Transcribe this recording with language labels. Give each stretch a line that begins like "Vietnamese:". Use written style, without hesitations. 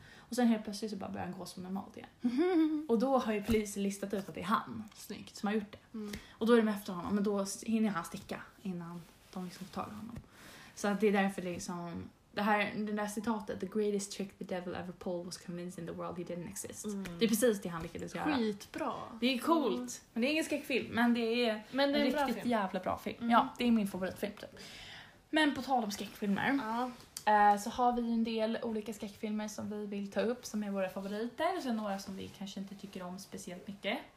Swedish: Och sen helt plötsligt så bara börjar han gå som normalt igen. Och då har ju polisen listat ut att det är han. Snyggt. Som har gjort det. Mm. Och då är de efter honom. Men då hinner han sticka innan de liksom tar honom. Så att det är därför liksom... Det där citatet,
English: the greatest trick the devil ever pulled was convincing the world he didn't exist.
Swedish: Det är precis det han lyckades göra. Skitbra. Det är coolt. Mm. Men det är ingen skräckfilm. Men det är en riktigt film. Jävla bra film. Mm. Ja, det är min favoritfilm typ. Men på tal om skräckfilmer... Ja. Så har vi en del olika skräckfilmer som vi vill ta upp, som är våra favoriter. Och sen några som vi kanske inte tycker om speciellt mycket.